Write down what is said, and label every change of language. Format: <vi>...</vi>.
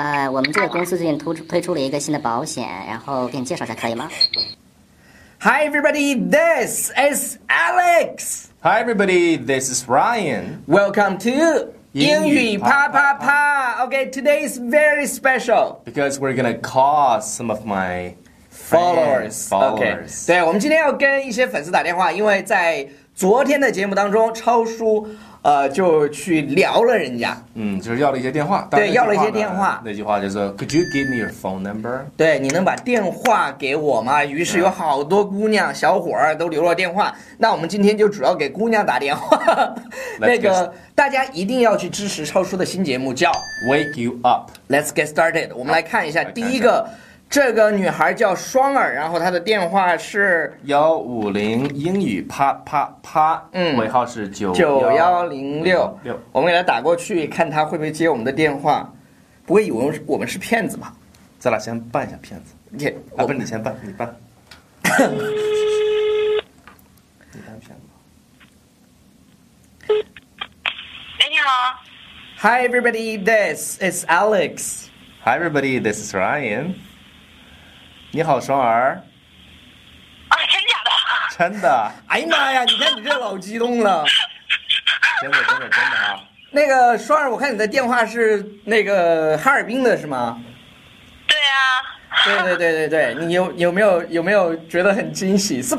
<zh>我们这个公司最近推出了一个新的保险，然后给你介绍一下可以吗？</zh> <en>Hi everybody, this is Alex. Hi everybody, this is Ryan. Welcome to 英语啪啪啪。 Okay, today is very special because we're gonna call some of my followers.</en> <zh>Okay, 对，我们今天要跟一些粉丝打电话，因为在昨天的节目当中，超叔就去聊了人家，嗯，就是要了一些电话，对，要了一些电话。那句话就是</zh> <en>Could you give me your phone number?</en> <zh>对，你能把电话给我吗？于是有好多姑娘小伙儿都留了电话。那我们今天就主要给姑娘打电话。那个大家一定要去支持超叔的新节目叫</zh> <en>Wake You Up. Let's get started.</en> <zh>我们来看一下第一个，这个女孩叫双儿，然后她的电话是 150英语啪啪啪，嗯，尾号是 91106。我们给她打过去，看她会不会接我们的电话。不会以为我们是骗子吧？咱俩先扮一下骗子。你先扮，你扮。你扮骗子。哎，你好。</zh> <en>Hi everybody, this is Alex. Hi everybody, this is Ryan.</en> <zh>你好，双儿。啊，真假的？真的。哎呀妈呀，你看你这老激动了。真的啊。那个双儿，我看你的电话是那个哈尔滨的是吗？对啊。对，你有没有觉得很惊喜 ？Surprise！</zh>